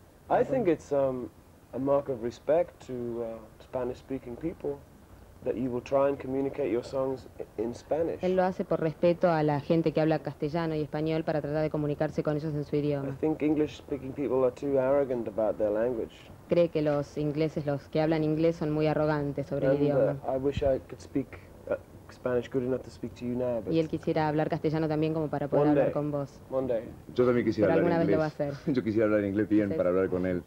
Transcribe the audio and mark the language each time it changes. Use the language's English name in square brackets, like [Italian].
[English] I think it's a mark of respect to Spanish-speaking people that you will try and communicate your songs in Spanish. [Spanish] Él lo hace por respeto a la gente que habla castellano y español para tratar de comunicarse con ellos en su idioma. [English] I think English-speaking people are too arrogant about their language. [Spanish] Cree que los ingleses, los que hablan inglés, son muy arrogantes sobre el idioma. [English] I wish I could speak Spanish good enough to speak to you now, but [Spanish] y él quisiera hablar castellano también como para poder hablar con vos. [English] Monday. [Spanish] Yo también quisiera pero hablar inglés. Pero alguna vez lo va a hacer. Yo quisiera hablar inglés bien para hablar con él.